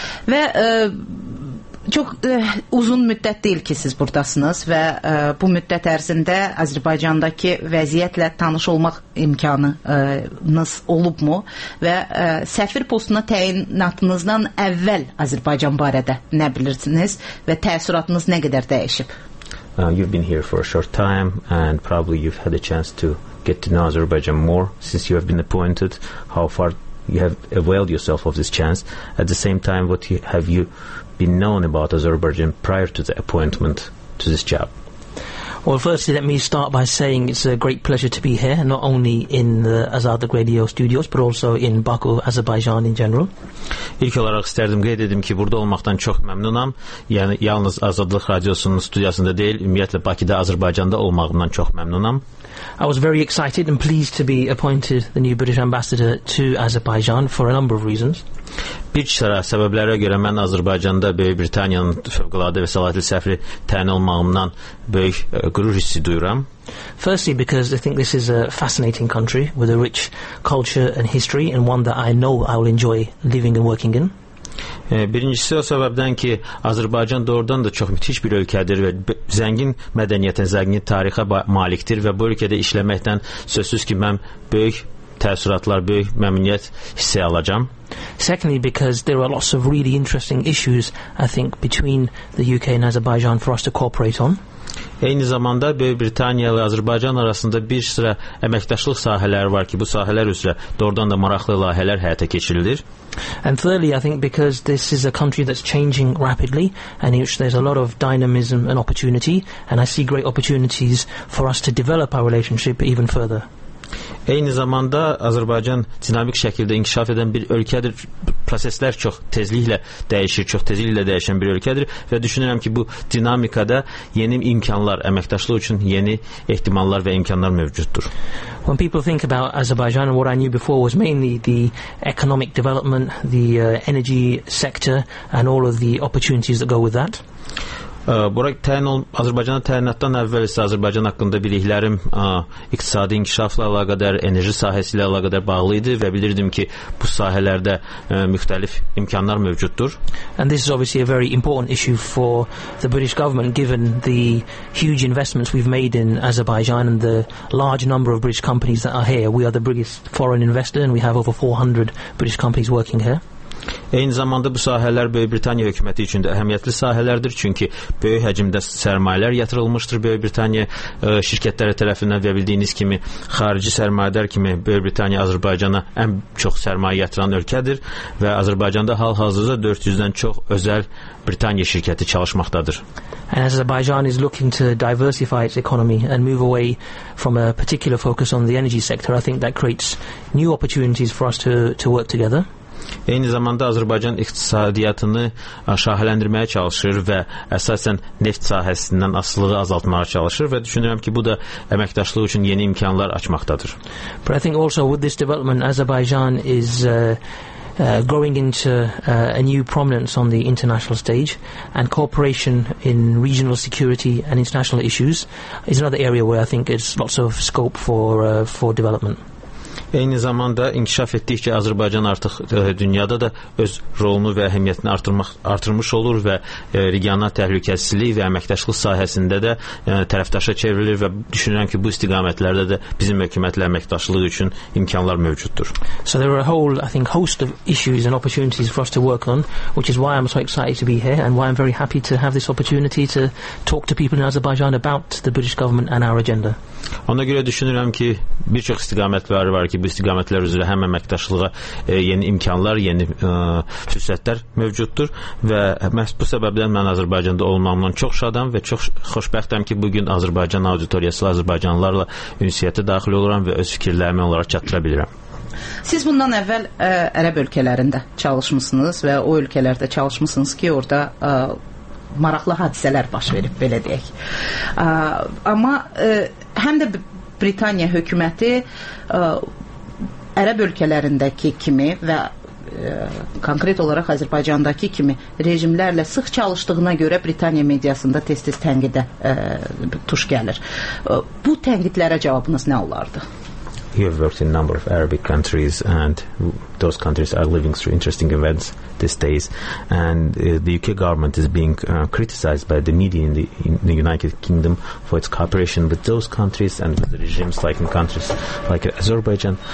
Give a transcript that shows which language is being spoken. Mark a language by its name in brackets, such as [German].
[Azerbaijani] Və çox uzun müddət deyil ki, siz buradasınız və bu müddət ərzində Azərbaycandakı vəziyyətlə tanış olmaq imkanınız olubmu və səfir postuna təyinatınızdan əvvəl Azərbaycan barədə nə bilirsiniz və təəssüratınız nə qədər dəyişib? [English] You've been here for a short time and probably you've had a chance to get to know Azerbaijan more since you have been appointed. How far you have availed yourself of this chance? At the same time, what have you been known about Azerbaijan prior to the appointment to this job? Well, firstly, let me start by saying it's a great pleasure to be here, not only in the Azadlıq Radio studios, but also in Baku, Azerbaijan in general. [Azerbaijani] İlk olaraq istərdim qeyd edim ki, burada olmaqdan çox məmnunam. Yəni, yalnız Azadlıq Radiosunun studiyasında deyil, ümumiyyətlə Bakıda, Azərbaycanda olmağımdan çox məmnunam. [English] I was very excited and pleased to be appointed the new British ambassador to Azerbaijan for a number of reasons. [Azerbaijani] Bir sıra səbəblərə görə mən Azərbaycanda Böyük Britaniyanın fövqəladə və səlahiyyətli səfiri təyin olmağımdan böyük qürur hissi duyuram. [English] Firstly, because I think this is a fascinating country with a rich culture and history and one that I know I will enjoy living and working in. [Azerbaijani] Birincisi o səbəbdən ki, Azərbaycan doğrudan da çox müthiş bir ölkədir və zəngin mədəniyyətə, zəngin tarixə malikdir və bu ölkədə işləməkdən sözsüz ki, mən böyük təəssüratlar, böyük məmnuniyyət hissə alacağım. [English] Secondly, because there are lots of really interesting issues, I think, between the UK and Azerbaijan for us to cooperate on. [Azerbaijani] Eyni zamanda Böyük Britaniya ilə Azərbaycan arasında bir sıra əməkdaşlıq sahələri var ki, bu sahələr üzrə doğrudan da maraqlı layihələr həyata keçirilir. [English] And thirdly, I think because this is a country that's changing rapidly and in which there's a lot of dynamism and opportunity, and I see great opportunities for us to develop our relationship even further. [Azerbaijani] Eyni zamanda Azərbaycan dinamik şəkildə inkişaf edən bir ölkədir. Proseslər çox tezliklə dəyişir, çox tezliklə dəyişən bir ölkədir və düşünürəm ki, bu dinamikada yeni imkanlar, əməkdaşlıq üçün yeni ehtimallar və imkanlar mövcuddur. [English] When people think about Azerbaijan, what I knew before was mainly the economic development, the energy sector and all of the opportunities that go with that. [Azerbaijani] Burak, Azərbaycana təyinatdan əvvəl isə Azərbaycan haqqında biliklərim iqtisadi inkişafla əlaqədar, enerji sahəsi ilə əlaqədar bağlı idi və bilirdim ki, bu sahələrdə müxtəlif imkanlar mövcuddur. [English] And this is obviously a very important issue for the British government, given the huge investments we've made in Azerbaijan and the large number of British companies that are here. We are the biggest foreign investor and we have over 400 British companies working here. [Azerbaijani] Eyni zamanda bu sahələr Böyük Britaniya hökuməti üçün də əhəmiyyətli sahələrdir, çünki böyük həcmdə sərmayələr yatırılmışdır Böyük Britaniya şirkətləri tərəfindən və bildiyiniz kimi xarici sərmayədar kimi Böyük Britaniya Azərbaycana ən çox sərmayə yatıran ölkədir və Azərbaycanda hal-hazırda 400-dən çox özəl Britaniya şirkəti çalışmaqdadır. [English] And Azerbaijan is looking to diversify its economy and move away from a particular focus on the energy sector. I think that creates new opportunities for us to work together. [Azerbaijani] Eyni zamanda Azərbaycan iqtisadiyyatını şahələndirməyə çalışır və əsasən neft sahəsindən asılılığı azaltmağa çalışır və düşünürəm ki, bu da əməkdaşlıq üçün yeni imkanlar açmaqdadır. [English] But I think also with this development, Azerbaijan is growing into a new prominence on the international stage, and cooperation in regional security and international issues is another area where I think there's lots of scope for development. [Azerbaijani] Eyni zamanda inkişaf etdikcə Azərbaycan artıq dünyada da öz rolunu və əhəmiyyətini artırmış olur və regional təhlükəsizlik və əməkdaşlıq sahəsində də tərəfdaşa çevrilir və düşünürəm ki, bu istiqamətlərdə də bizim hökumətlə əməkdaşlığı üçün imkanlar mövcuddur. [English] So there are a whole, I think, host of issues and opportunities for us to work on, which is why I'm so excited to be here and why I'm very happy to have this opportunity to talk to people in Azerbaijan about the British government and our agenda. [Azerbaijani] Ona görə düşünürəm ki, bir çox istiqamət var ki, bu istiqamətlər üzrə həm əməkdaşlığa yeni imkanlar, yeni fürsətlər mövcuddur və məhz bu səbəbdən mən Azərbaycanda olmağımdan çox şadam və çox xoşbəxtəm ki, bugün Azərbaycan auditoriyasıyla, Azərbaycanlılarla ünsiyyətə daxil oluram və öz fikirlərimi onlara çatdıra bilirəm. Siz bundan əvvəl ərəb ölkələrində çalışmışsınız və o ölkələrdə çalışmışsınız ki, orada maraqlı hadisələr baş verib, belə deyək. Amma həm də Britaniya hökuməti ərəb ölkələrindəki kimi və konkret olaraq Azərbaycandakı kimi rejimlərlə sıx çalışdığına görə Britaniya mediasında tez-tez tənqidə tuş gəlir. Bu tənqidlərə cavabınız nə olardı? [English] You have worked in a number of Arabic countries, and those countries are living through interesting events these days. And the UK government is being criticized by the media in the United Kingdom for its cooperation with those countries and with the regimes like in countries like Azerbaijan.